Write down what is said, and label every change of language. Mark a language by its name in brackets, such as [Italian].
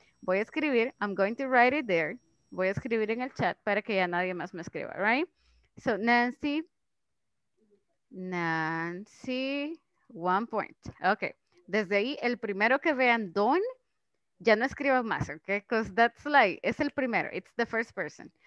[Spanish] Voy a escribir, [English] I'm going to write it there. [Spanish] Voy a escribir en el chat para que ya nadie más me escriba, right? [English] So Nancy, Nancy, one point. [Spanish] Okay, desde ahí, el primero que vean Don, ya no escriban más, okay? [English] Because that's like, [Spanish] es el primero, [English] it's the first person.